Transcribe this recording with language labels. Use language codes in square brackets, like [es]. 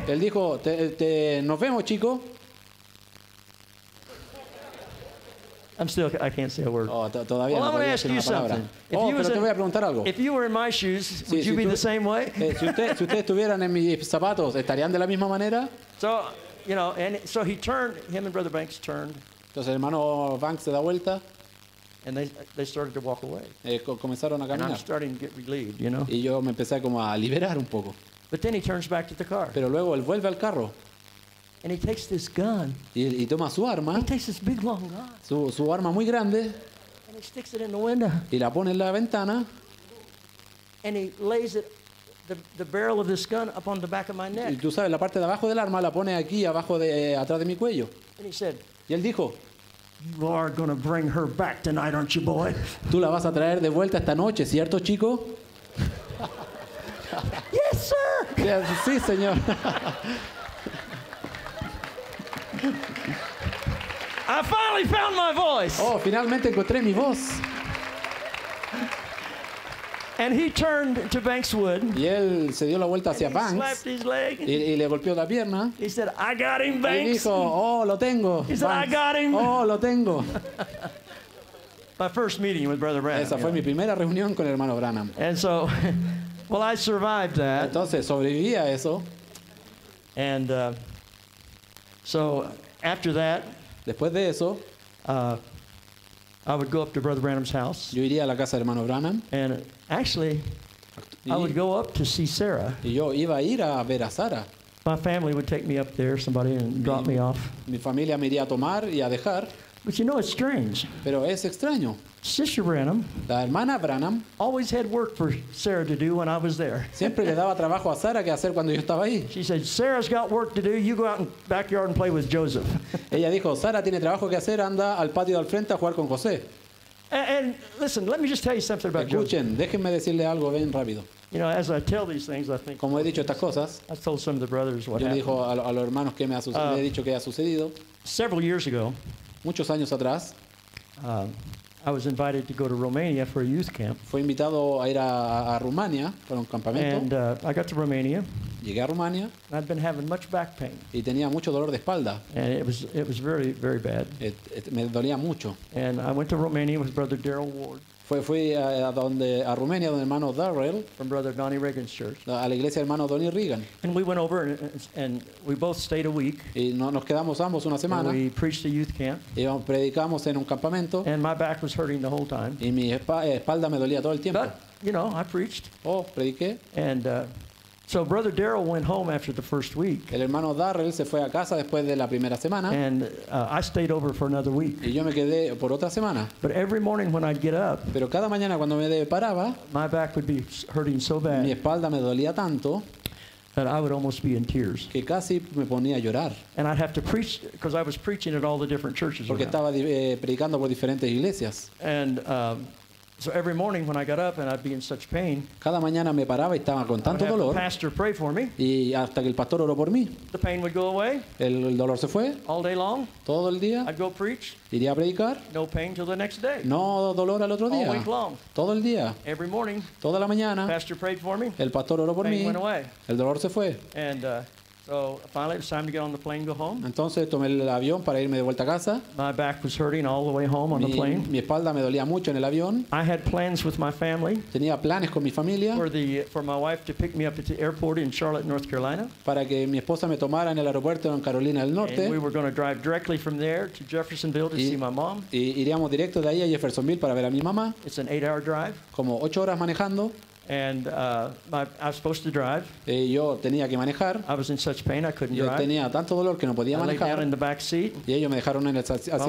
[es] Él dijo, te nos vemos, chico. [en] I can't say a word. [es] Todavía [en] well, [es] no [en] I'm going to ask you something. If, oh, you [es] pero te voy a preguntar algo. [en] If you were in my shoes, [es] sí, [en] would you [es] si [en] be the same way? [es] Si ustedes estuvieran en mis zapatos, ¿estarían de la misma manera? [en] So, you know, and so he turned, him and Brother Banks turned. [es] Entonces, hermano Banks se da vuelta. [en] And they started to walk away. [es] Comenzaron a caminar. [en] And I'm starting to get relieved, you know. [es] Y yo me empecé como a liberar un poco. [en] But then he turns back to the car. [es] Pero luego él vuelve al carro. [en] And he takes this gun. [es] Y toma su arma. [en] He takes this big long gun. [es] Su arma muy grande. [en] And he sticks it in the window. [es] Y la pone en la ventana. [en] And he lays it, the barrel of this gun up on the back of my neck. [es] Y tú sabes, la parte de abajo del arma la pone aquí abajo de atrás de mi cuello. [en] And he said, [es] y él dijo, [en] "You are going to bring her back tonight, aren't you, boy?" [es] Tú la vas a traer de vuelta esta noche, ¿cierto, chico? [en] Yes, sir. Yes, [es] sí, señor. [en] I finally found my voice. [es] Oh, finalmente encontré mi voz. [en] And he turned to Bankswood. [es] Y él se dio la vuelta hacia Banks. [en] He slapped his leg. [es] Y le golpeó la pierna. [en] He said, "I got him, Banks." [es] Y dijo, "Oh, lo tengo." [en] He said, [es] Banks. [en] "I got him." [es] Oh, lo tengo. [en] My first meeting with Brother Branham. [es] Esa fue mi primera reunión con el hermano Branham. [en] And so, well, I survived that. [es] Entonces sobreviví a eso. [en] And so after that. [es] Después de eso, [en] I would go up to Brother Branham's house. [es] Yo iría a la casa de hermano Branham. [en] And actually, I would go up to see Sarah. [es] Y yo iba a ir a ver a Sarah. [en] My family would take me up there, somebody, and drop me off. [es] Mi familia me iría a tomar y a dejar. [en] But you know, it's strange. [es] Pero es extraño. [en] Sister Branham, [es] la hermana Branham, [en] always had work for Sarah to do when I was there. [es] Siempre le daba trabajo a Sarah que hacer cuando yo estaba ahí. [en] She said, "Sarah's got work to do. You go out in the backyard and play with Joseph." [es] Ella dijo, "Sara tiene trabajo que hacer. Anda al patio al frente a jugar con José." [en] And listen, let me just tell you something about [es] Escuchen, Joseph. Escuchen, déjenme decirle algo bien rápido. [en] You know, as I tell these things, I think. [es] Como he dicho estas cosas, [en] I told some of the brothers what happened. [es] Yo le dijo a los hermanos que me ha sucedido. Le he dicho que ha sucedido. [en] Several years ago. [es] Muchos años atrás. [en] I was invited to go to Romania for a youth camp. [es] Fui invitado a ir a Rumania para un campamento. [en] And I got to Romania. [es] Llegué a Rumania. [en] I'd been having much back pain. [es] Y tenía mucho dolor de espalda. [en] And it was very, very bad. [es] Me dolía mucho. [en] And I went to Romania with Brother Darrell Ward. [es] Fui a Rumania donde hermano Darrell. [en] From Brother Donnie Reagan's church. [es] A la iglesia hermano Donnie Reagan. [en] And we went over and we both stayed a week. [es] Y nos quedamos ambos una semana. [en] And we preached a youth camp. [es] Y predicamos en un campamento. [en] And my back was hurting the whole time. [es] Y mi espalda me dolía todo el tiempo. [en] But, you know, I preached. [es] Oh, prediqué. [en] And so Brother Darrell went home after the first week. [es] El hermano Darrell se fue a casa después de la primera semana. [en] And I stayed over for another week. [es] Y yo me quedé por otra semana. [en] But every morning when I'd get up, [es] pero cada mañana cuando me paraba, [en] my back would be hurting so bad. [es] Mi espalda me dolía tanto. [en] That I would almost be in tears. [es] Que casi me ponía a llorar. [en] And I'd have to preach because I was preaching at all the different churches. [es] Porque estaba predicando por diferentes iglesias. [en] And so every morning when I got up and I'd be in such pain, [es] cada mañana me paraba y estaba con tanto dolor. [en] The pastor pray for me. [es] Y hasta que el pastor oró por mí. [en] The pain would go away. [es] El dolor se fue. [en] All day long. [es] Todo el día. [en] I'd go preach. [es] Iría a predicar. [en] No pain till the next day. [es] No dolor al otro día. [en] All week long. [es] Todo el día. [en] Every morning. [es] Toda la mañana. [en] The pastor prayed for me. [es] El pastor oró por mí. [en] Pain went away. [es] El dolor se fue. [en] And so finally, it was time to get on the plane and go home. [es] Entonces tomé el avión para irme de vuelta a casa. [en] My back was hurting all the way home on the plane. [es] Mi espalda me dolía mucho en el avión. [en] I had plans with my family. [es] Tenía planes con mi familia. [en] For my wife to pick me up at the airport in Charlotte, North Carolina. [es] Para que mi esposa me tomara en el aeropuerto en Carolina del Norte. [en] And we were going to drive directly from there to Jeffersonville to see my mom. [es] Y iríamos directo de ahí a Jeffersonville para ver a mi mamá. [en] It's an eight-hour drive. [es] Como 8 horas manejando. [en] And I was supposed to drive. [es] Yo tenía que manejar. [en] I was in such pain I couldn't [es] yo [en] drive. [es] Tenía tanto dolor que no podía [en] I [es] manejar. [en] Laid down in the back seat. [es] Y ellos me dejaron en el asiento de atrás.